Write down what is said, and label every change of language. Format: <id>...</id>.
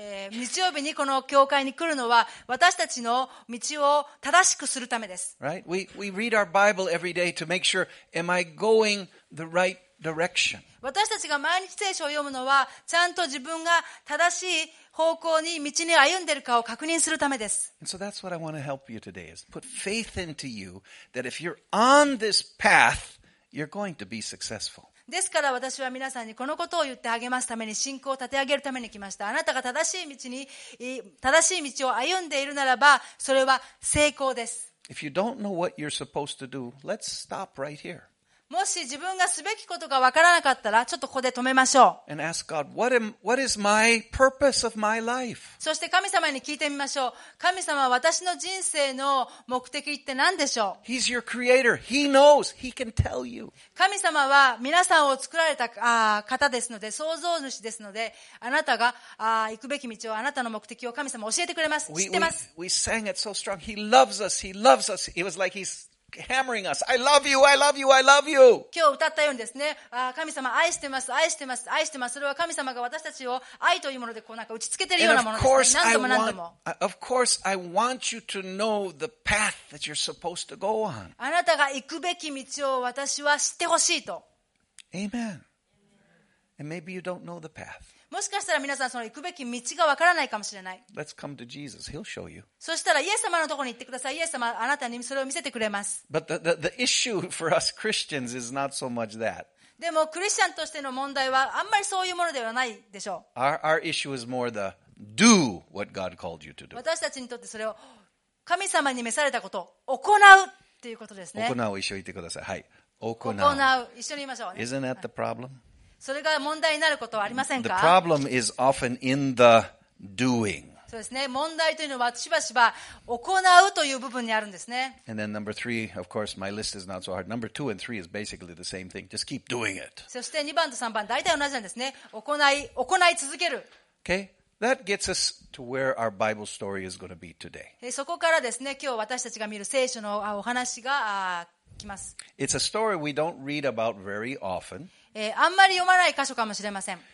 <ja>日曜日にこの教会に来るのは私たちの道を正しくするためです。</ja> <en>Right? We read our Bible every day to make sure, am I going the right direction?</en> <ja>私たちが毎日聖書を読むのはちゃんと自分が正しい方向に道に歩んでいるかを確認するためです。</ja> <en>And so that's what I want to help you today is put faith into you that if you're on this path, you're going to be successful.</en> <ja>ですから私は皆さんにこのことを言って励ますために信仰を立て上げるために来ました。あなたが正しい道に、正しい道を歩んでいるならば、それは成功です。</ja> <en>If you don't know what you're supposed to do, let's stop right here.</en> <ja>もし自分がすべきことがわからなかったら、ちょっとここで止めましょう。</ja> <en>And ask God, what is my purpose of my life?</en> <ja>そして神様に聞いてみましょう。神様は私の人生の目的って何でしょう?</ja> <en>He's your creator. He knows. He can tell you.</en> <ja>神様は皆さんを作られた方ですので、創造主ですので、あなたが行くべき道を、あなたの目的を神様教えてくれます。知ってます。</ja> <en>We sang it so strong. He loves us. He loves us. It was like he'sHammering us. I love you. I love you. I love you.</en> <ja>今日歌ったようにですね。神様愛してます。愛してます。愛してます。それは神様が私たちを愛というものでこうなんか打ち付けてるようなものですね。何度も何度も。</ja> <en>Of course, I want you to know the path that you're supposed to go on.</en> <ja>あなたが行くべき道を私は知ってほしいと。</ja> <en>Amen. And maybe you don't know the path.</en> <ja>もしかしたら皆さんその行くべき道がわからないかもしれない。</ja> <en>Let's come to Jesus. He'll show you.</en> <ja>そしたらイエス様のところに行ってください。イエス様あなたにそれを見せてくれます。</ja> <en>But the issue for us Christians is not so much that.</en> <ja>でもクリスチャンとしての問題はあんまりそういうものではないでしょう。</ja> <en>Our issue is more the do what God called you to do.</en> <ja>私たちにとってそれを神様に召されたことを行うということですね。行う、一緒に言ってください。はい。行う、一緒に言いましょう、ね。</ja> <en>Isn't that the problem?</en> <ja>それが問題になることはありませんか?</ja> <en>The problem is often in the doing.</en> <ja>そうですね。問題というのはしばしば行うという部分にあるんですね。</ja> <en>And then number three, of course, my list is not so hard. Number two and three is basically the same thing. Just keep doing it.</en> <ja>そして2番と3番、大体同じなんですね。行い続ける。</ja> <en>Okay? That gets us to where our Bible story is going to be today.</en> <ja>そこからですね、今日私たちが見る聖書のお話が来ます。</ja> <en>It's a story we don't read about very often.</en> <ja>あんまり読まない箇所かもしれません。</ja>